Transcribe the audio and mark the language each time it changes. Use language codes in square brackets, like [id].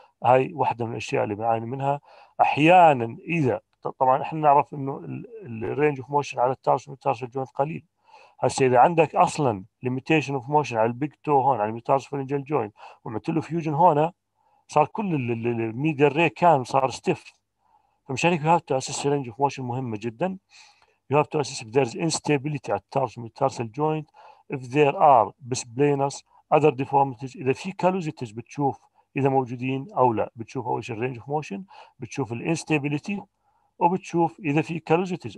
[ar] هاي واحدة من الأشياء اللي بنعاني منها أحيانا. إذا طبعا إحنا نعرف إنه الرينج اوف موشن على التارس والميتاتارس والجوينت قليل, هسه إذا عندك أصلاً [en] limitation of motion [ar] على البيج تو هون على الميتارس فالنجل جوين وعملت له فيوجن هون, صار كل الميدل ري كان صار ستيف. فمشان هيك [en] you have to assess range of motion, [ar] مهمة جداً. [en] You have to assess if there is instability at tars and metatars joint, if there are bisplanus, other deformities, إذا في callosities [ar] بتشوف إذا موجودين أو لا. بتشوف أول شيء [en] range of motion, [ar] بتشوف الانستابيليتي, وبتشوف إذا في كالوزيتيز.